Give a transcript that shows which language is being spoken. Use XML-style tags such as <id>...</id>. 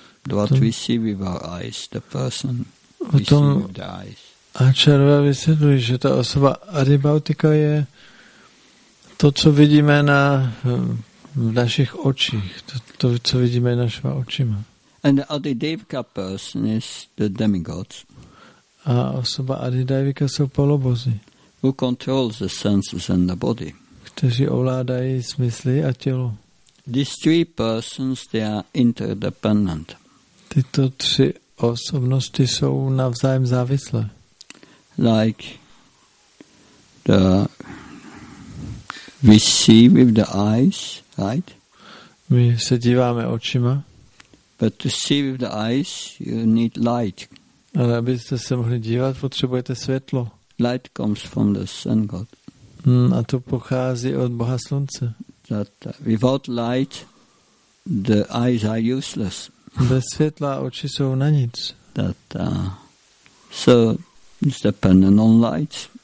<en>What we see with our eyes, the person</en> <cs>potom</cs> <en>we see with the eyes.</en> <cs>Acharya vysvětluje, že ta osoba adhibautika je to, co vidíme na v našich očích, to co vidíme našima očima.</cs> <en>And the adhidevika person is the demigods.</en> <cs>A osoba adhidevika jsou polobozy.</cs> <en>Who controls the senses and the body.</en> <cs>Kteří ovládají smysly a tělo.</cs> <en>These three persons, they are interdependent.</en> <cs>Tyto tři osobnosti jsou navzájem závislé.</cs> <en>Like the we see with the eyes, right?</en> <cs>My se díváme očima.</cs> <en>But to see with the eyes, you need light.</en> <cs>Ale abyste se mohli dívat, potřebujete světlo.</cs> <en>Light comes from the sun god.</en> <cs>A to pochází od Boha slunce.</cs> <en>That without light, the eyes are useless.</en> <cs>Bez světla oči jsou na nic.</cs> <en>That so it's dependent on light.</en>